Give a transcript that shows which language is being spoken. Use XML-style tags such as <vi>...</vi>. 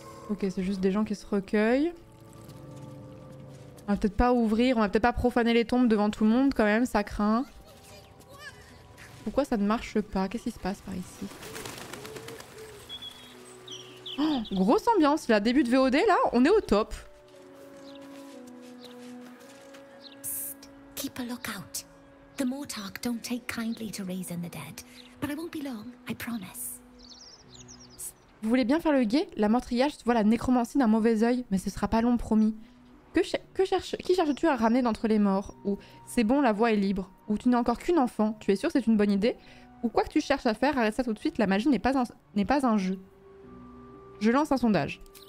<fr>Ok, c'est juste des gens qui se recueillent. On va peut-être pas ouvrir, on va peut-être pas profaner les tombes devant tout le monde quand même, ça craint. Pourquoi ça ne marche pas? Qu'est-ce qui se passe par ici? Oh, grosse ambiance là, début de VOD là, on est au top.</fr> <en>Psst, keep a lookout. The Mortark don't take kindly to raising the dead, but I won't be long, I promise.</en> <fr>Vous voulez bien faire le guet? La Mortriarche voit la nécromancie d'un mauvais œil, mais ce sera pas long, promis. Qui cherches-tu à ramener d'entre les morts? Ou c'est bon, la voie est libre? Ou tu n'es encore qu'une enfant, tu es sûr que c'est une bonne idée? Ou quoi que tu cherches à faire, arrête ça tout de suite, la magie n'est pas un jeu. Je lance un sondage.</fr>